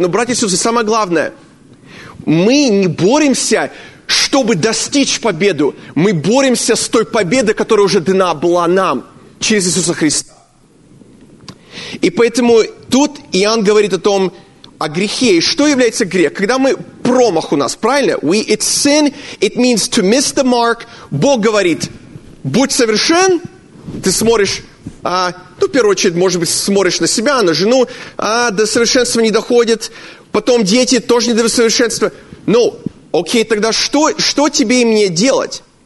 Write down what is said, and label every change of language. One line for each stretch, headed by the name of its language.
Russian: Но, братья и сестры, самое главное, мы не боремся, чтобы достичь победу. Мы боремся с той победой, которая уже дана была нам через Иисуса Христа. И поэтому тут Иоанн говорит о том, о грехе. И что является грех? Когда мы промах у нас, правильно?
English: It's sin, it means to miss the mark.
Russian: Бог говорит, будь совершен, ты смотришь, в первую очередь, может быть, смотришь на себя, на жену, до совершенства не доходит. Потом дети тоже не до совершенства. Окей, тогда что тебе и мне делать?